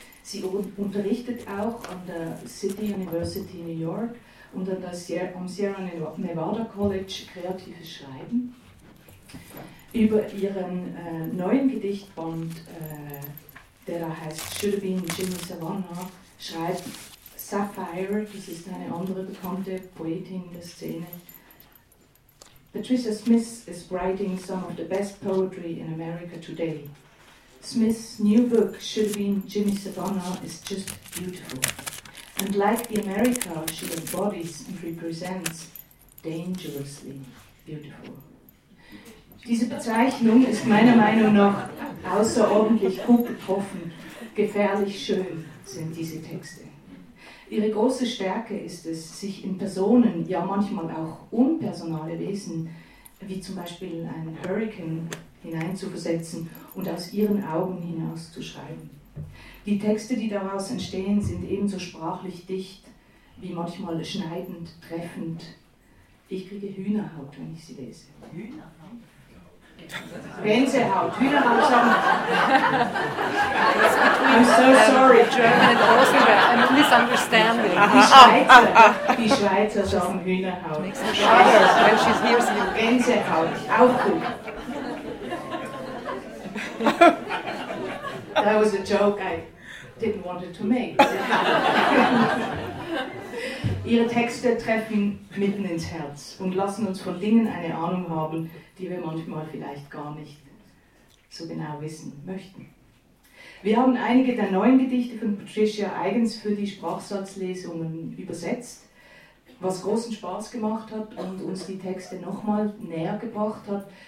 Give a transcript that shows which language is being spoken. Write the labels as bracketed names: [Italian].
[German] Sie unterrichtet auch an der City University New York und am Sierra Nevada College kreatives Schreiben. Über ihren neuen Gedichtband, der da heißt Should Have Been Jimmy Savannah, schreibt Sapphire, das ist eine andere bekannte Poetin der Szene. [English] Patricia Smith is writing some of the best poetry in America today. Smith's new book, Should Have Been Jimmy Savannah, is just beautiful. And like the America, she embodies and represents dangerously beautiful. [German] Diese Bezeichnung ist meiner Meinung nach außerordentlich gut getroffen. Gefährlich schön sind diese Texte. Ihre große Stärke ist es, sich in Personen, ja manchmal auch unpersonale Wesen, wie zum Beispiel einen Hurrikan, hineinzuversetzen und aus ihren Augen hinaus zu schreiben. Die Texte, die daraus entstehen, sind ebenso sprachlich dicht wie manchmal schneidend, treffend. Ich kriege Hühnerhaut, wenn ich sie lese. Hühnerhaut? Gänsehaut, Hühnerhaut sagen. [English] I'm so sorry, German and Austrian. I'm misunderstanding. [German] Die Schweizer sagen Hühnerhaut. [English] Makes me shudder when she hears you. [German] Gänsehaut, auch gut. [English] That was a joke I didn't want it to make. [German] Ihre Texte treffen mitten ins Herz und lassen uns von Dingen eine Ahnung haben, die wir manchmal vielleicht gar nicht so genau wissen möchten. Wir haben einige der neuen Gedichte von Patricia eigens für die Sprachsatzlesungen übersetzt, was großen Spaß gemacht hat und uns die Texte nochmal näher gebracht hat.